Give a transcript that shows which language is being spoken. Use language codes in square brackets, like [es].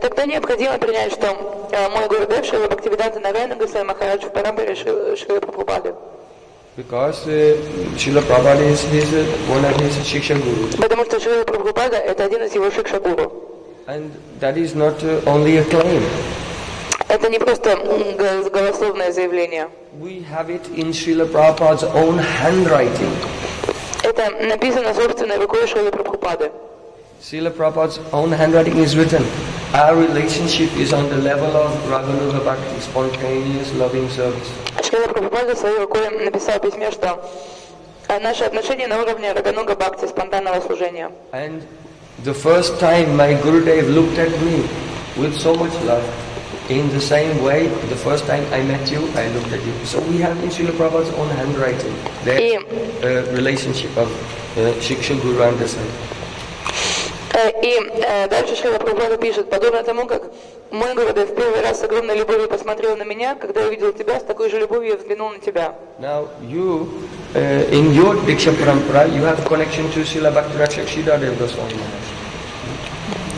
[ru] Тогда необходимо принять, что мой Гурудев Шрила Бхактивиданта Нараяна Махарадж в парампаре Шрила Прабхупады. [en] Because Srila Prabhupada is his, one of his Shiksha Gurus. [ru] Потому что Шрила Прабхупада это один из его Шикша Гуру. [en] And that is not only a claim. [ru] Это не просто голословное заявление. [en] We have it in Srila Prabhupada's own handwriting. [ru] Это написано собственной рукой Шрилы Прабхупады. [en] Srila Prabhupada's own handwriting is written. Our relationship is on the level of Raghunatha Bhakti, spontaneous loving service. [ru] Шрила Прабхупада своей рукой написал письме, что наши отношения на уровне Рагануга Бхакти, спонтанного служения. [en] And the first time my Gurudev looked at me with so much love, in the same way, the first time I met you, I looked at you. So we have in Srila Prabhupada's own handwriting the relationship of Shiksha Guru and Disciple. [ru] И дальше Шрила Прабхупада пишет, подобно тому, как мой Гурудев в первый раз с огромной любовью посмотрел на меня, когда увидел тебя, с такой же любовью я взглянул на тебя. [en] Now, you, in your Diksha Parampara, you have a connection to Srila Bhaktivedanta Goswami Maharaj.